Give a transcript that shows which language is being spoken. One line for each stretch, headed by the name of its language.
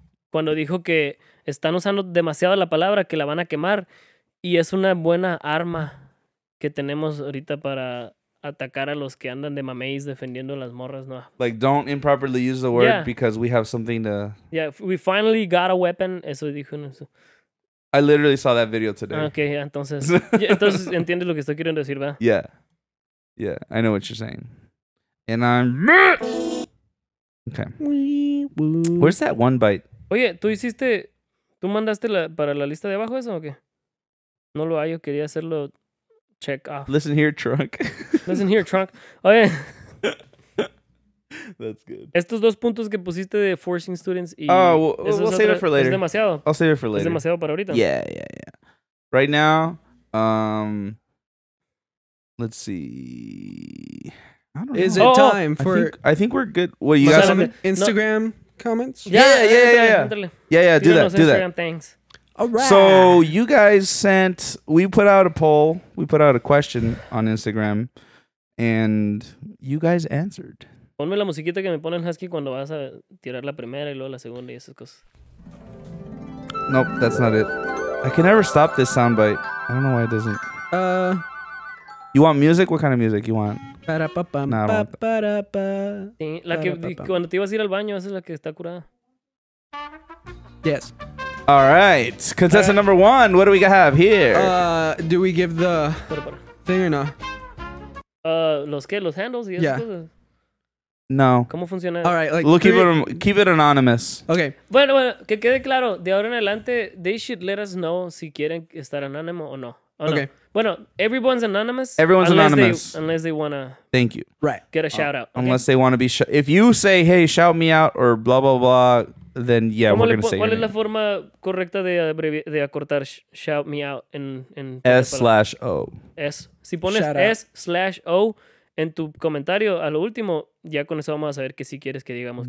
Spanish: Cuando dijo que están usando demasiado la palabra, que la van a quemar. Y es una buena arma que tenemos ahorita para atacar a los que andan de mameis defendiendo las morras. No.
English: Like, don't improperly use the word because we have something to... Yeah, we finally got a weapon.
Spanish: Eso dijo.
English: I literally saw that video today.
Spanish: Okay, yeah, entonces entiendes lo que estoy queriendo decir, ¿verdad?
English: Yeah. Yeah, I know what you're saying. And I'm... Okay. Where's that one bite?
Spanish: Oye, ¿tú mandaste para la lista de abajo eso o qué? No lo hallo, quería hacerlo
English: check off. Listen here, trunk. Listen here, trunk.
Spanish: Oye.
English: That's good.
Spanish: Estos dos puntos que pusiste de
English: forcing students
Spanish: y...
English: Oh, we'll save it for later.
Spanish: Es demasiado.
English: I'll save it for later.
Spanish: Es demasiado para ahorita.
English: Yeah, yeah, yeah. Right now, let's see... I don't know. Is it time for... I think we're good. What, you got some Instagram... No. Comments? Yeah. Do that. Thanks. All right. So you guys sent. We put out a poll. We put out a question on Instagram, and you guys answered.
Spanish: Ponme la musiquita que me pone el husky cuando vas a tirar la primera y luego la segunda y esas cosas.
English: Nope, that's not it. I can never stop this soundbite. I don't know why it doesn't. You want music? What kind of music you want?
Spanish: Cuando te ibas a ir al baño, esa es la que está curada.
English: Yes. All right. Contestant number one, what do we have here? Do we give the thing or no?
Spanish: ¿Los qué? ¿Los handles? Y yeah. Cosas? No. ¿Cómo funciona?
English: All right. Like, keep it anonymous. Okay.
Spanish: Bueno, que quede claro. De ahora en adelante,
English: they should let us know
Spanish: si quieren estar anónimo o no.
English: Okay. Bueno, everyone's anonymous. Everyone's anonymous. Unless they want to... Thank you. Right. Get a shout out. Okay? Unless they want to be... if you say, hey, shout me out or blah, blah, blah, then yeah, we're going to say
Spanish: ¿Cuál es la forma correcta de acortar
English: shout me out
Spanish: en...
English: S/O. S.
Spanish: Si pones S/O en tu comentario a lo último, ya con eso vamos a saber que si quieres que digamos...